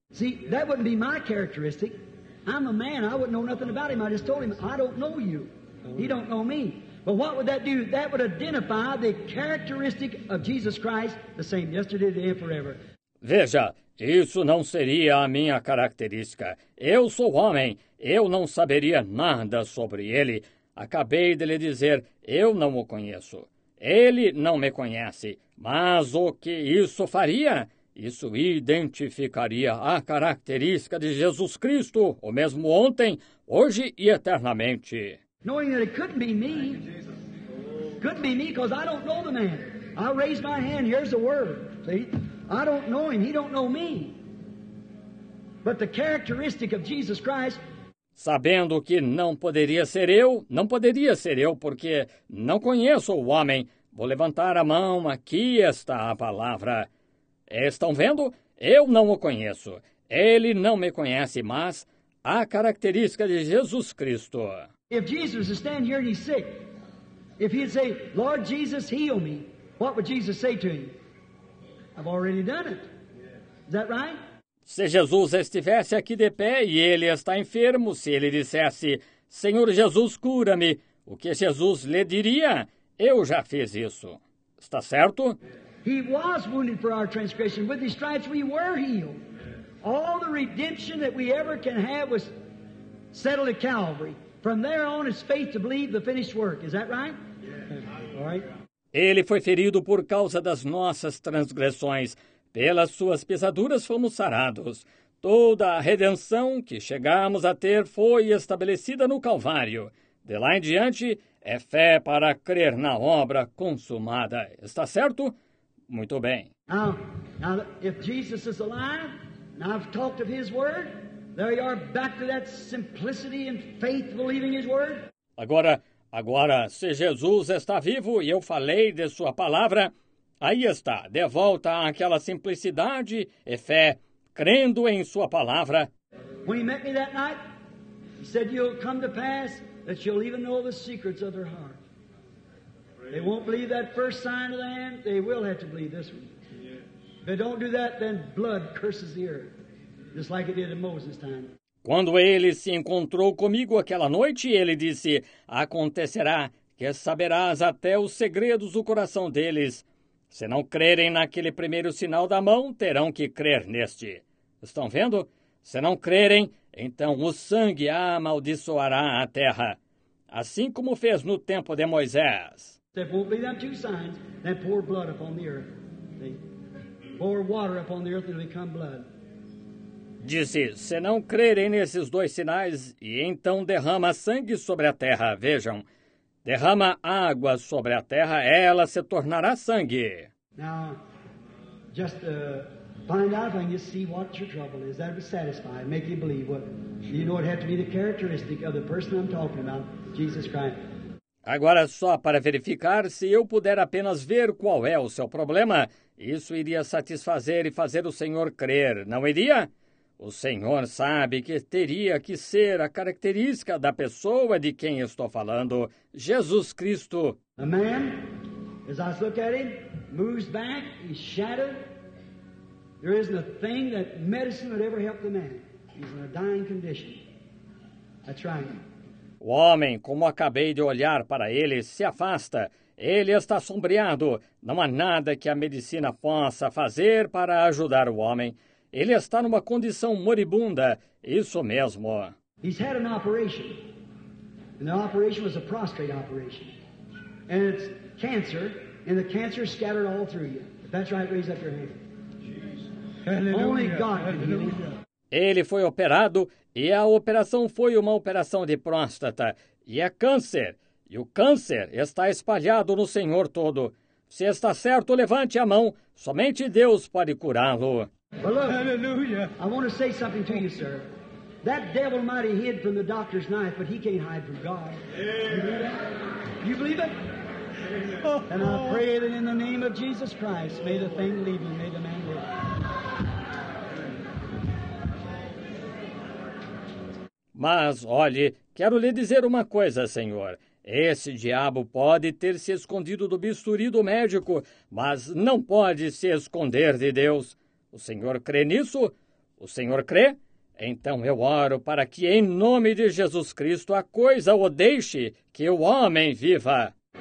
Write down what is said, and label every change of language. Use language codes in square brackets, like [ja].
[en] See, that wouldn't be my characteristic. I'm a man, I wouldn't know nothing about him. I just told him, I don't know you. He don't know me. But what would that do? That would identify the characteristic of Jesus Christ, the same yesterday, today, and forever. [pt] Veja, isso não seria a minha característica. Eu sou homem, eu não saberia nada sobre ele. Acabei de lhe dizer, eu não o conheço. Ele não me conhece, mas o que isso faria? Isso identificaria a característica de Jesus Cristo, o mesmo ontem, hoje e eternamente. [en] Knowing that it couldn't be me. Couldn't be me, because I don't know the man. I raise my hand, here's the word. See? I don't know him, he don't know me. But the characteristic of Jesus Christ... [pt] Sabendo que não poderia ser eu, não poderia ser eu, porque não conheço o homem. Vou levantar a mão, aqui está a palavra. Estão vendo? Eu não o conheço. Ele não me conhece, mas a característica de Jesus Cristo. [en] If Jesus is standing here and he's sick, if he'd say, Lord Jesus, heal me, what would Jesus say to him? I've already done it. Is that right? [pt] Se Jesus estivesse aqui de pé e ele está enfermo, se ele dissesse, Senhor Jesus, cura-me, o que Jesus lhe diria? Eu já fiz isso. Está certo? [en] He was wounded for our transgression. With his stripes we were healed. All the redemption that we ever can have was settled at Calvary. From there on is faith to believe the finished work. Is that right? Yeah. All right. [pt] Ele foi ferido por causa das nossas transgressões. Pelas suas pisaduras fomos sarados. Toda a redenção que chegamos a ter foi estabelecida no Calvário. De lá em diante, é fé para crer na obra consumada. Está certo? Muito bem. [en] Now, if Jesus is alive, and I've talked of his word, there you are back to that simplicity and faith believing his word. [pt] Agora, se Jesus está vivo e eu falei de sua palavra, aí está, de volta àquela simplicidade e fé, crendo em sua palavra. [en] When he met me that night, he said, you'll come to pass that you'll even know the secrets of their heart. They won't believe that first sign of the hand, they will have to believe this one. If they don't do that, then blood curses the earth, just like it did in Moses' time. [pt] Quando ele se encontrou comigo aquela noite, ele disse, acontecerá que saberás até os segredos do coração deles. Se não crerem naquele primeiro sinal da mão, terão que crer neste. Estão vendo? Se não crerem, então o sangue amaldiçoará a terra, assim como fez no tempo de Moisés. [en] There won't be them two signs, then pour blood upon the earth. They pour water upon the earth and become blood. [pt] Disse, se não crerem nesses dois sinais, e então derrama sangue sobre a terra, vejam, derrama água sobre a terra, ela se tornará sangue. [en] Now, just find out and you see what your trouble is. That would satisfy, make you believe. What, you know, it had to be the characteristic of the person I'm talking about, Jesus Christ. [pt] Agora, só para verificar, se eu puder apenas ver qual é o seu problema, isso iria satisfazer e fazer o Senhor crer, não iria? O Senhor sabe que teria que ser a característica da pessoa de quem estou falando, Jesus Cristo. [en] A man, as I look at him, moves back, he's shattered. There isn't a thing that medicine would ever help the man. He's in a dying condition. That's right. [pt] O homem, como acabei de olhar para ele, se afasta. Ele está sombreado. Não há nada que a medicina possa fazer para ajudar o homem. Ele está numa condição moribunda, isso mesmo. [en] He's had an operation, and the operation was a prostate operation. And it's cancer, and the cancer is scattered all through you. If that's right, raise up your hand. Hallelujah. Only God can heal you. [pt] Ele foi operado, e a operação foi uma operação de próstata, e é câncer. E o câncer está espalhado no Senhor todo. Se está certo, levante a mão, somente Deus pode curá-lo. [en] Well, look, hallelujah. I want to say something to you, sir. That devil might have hid from the doctor's knife, but he can't hide from God. Yeah. You believe it? Yeah. And I pray that in the name of Jesus Christ, may the thing leave you, may the man live. [pt] Mas, olhe, quero lhe dizer uma coisa, senhor. Esse diabo pode ter se escondido do bisturi do médico, mas não pode se esconder de Deus. O senhor crê nisso? O senhor crê? Então eu oro para que, em nome de Jesus Cristo, a coisa o deixe, que o homem viva.